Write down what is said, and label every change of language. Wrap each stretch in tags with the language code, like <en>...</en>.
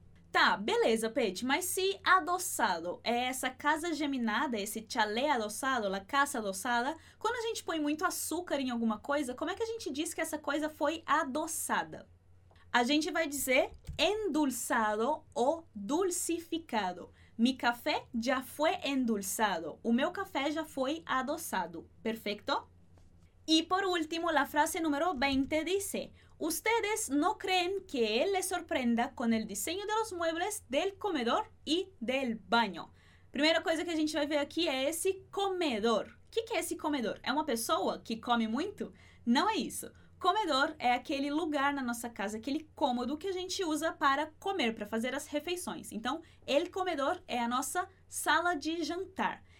<pt>Tá, beleza, Pete. Mas se adossado é essa casa geminada, esse chalet adossado,</pt> <es>la casa adossada,</es> <pt>quando a gente põe muito açúcar em alguma coisa, como é que a gente diz que essa coisa foi adossada? A gente vai dizer endulzado ou dulcificado. Mi café já foi endulzado. O meu café já foi adossado. Perfeito?</pt> <es>Y por último, la frase número 20 dice: ustedes no creen que él les sorprenda con el diseño de los muebles del comedor y del baño.</es> <pt>Primeira coisa que a gente vai ver aqui é esse comedor. O que, que é esse comedor? É uma pessoa que come muito? Não é isso. Comedor é aquele lugar na nossa casa, aquele cômodo que a gente usa para comer, para fazer as refeições. Então,</pt> <es>el comedor</es> <pt>é a nossa sala de jantar.</pt>